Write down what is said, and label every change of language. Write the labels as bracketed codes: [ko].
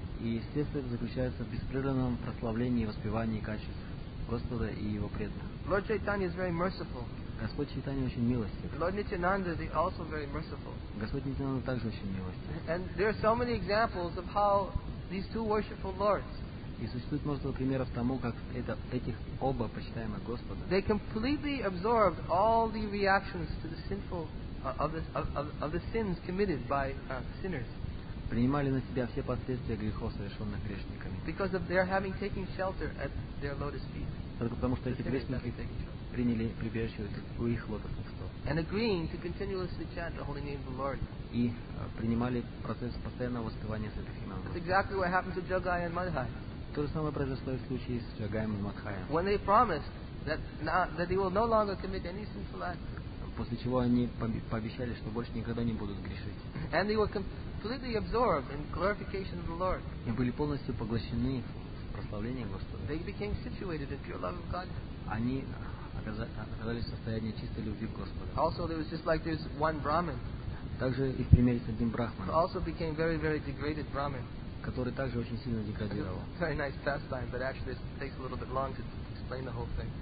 [ru] И естественно заключается в беспрерывном прославлении и воспевании качеств Господа и Его преданных. [en] Lord Chaitanya is very merciful. [ru] Господь Чайтанья очень милостив. [en] Lord Nityananda is also very merciful. [ru] Господь Нитянанда также очень милостив. [en] And there are so many examples of how these two worshipful lords. [ru] И существует множество примеров тому, как это, этих оба почитаемых Господа. [en] They completely absorbed all the reactions to the sinful of the sins committed by sinners. [ru] Принимали на себя все последствия грехов, совершенных грешниками. [en] Because of their having taken shelter at their lotus feet. [ru] Только потому, что эти грешники приняли прибежище у их лотосных стоп. [en] And agreeing to continuously chant the holy name of the Lord. [ru] И принимали процесс постоянного воспевания святых имен. [en] That's exactly what happened to Jagai and Madhai. [ru] То же самое произошло и в случае с Джагаем и Мадхаем. [en] When they promised that they will no longer commit any sinful act. [ru] После чего они пообещали, что больше никогда не будут грешить. [en] And they were completely absorbed in glorification of the Lord. [ru] И были полностью поглощены прославлением Господа. [en] They became situated in pure love of God. [ru] Они оказались в состоянии чистой любви к Господу. [en] Also, there was just like there's one Brahmin. [ru] Также и в примере с одним брахманом. [en] Also became very, very degraded Brahmin. [ru] Который также очень сильно деградировал. [en] Very nice pastime, but actually it takes a little bit long to explain the whole thing.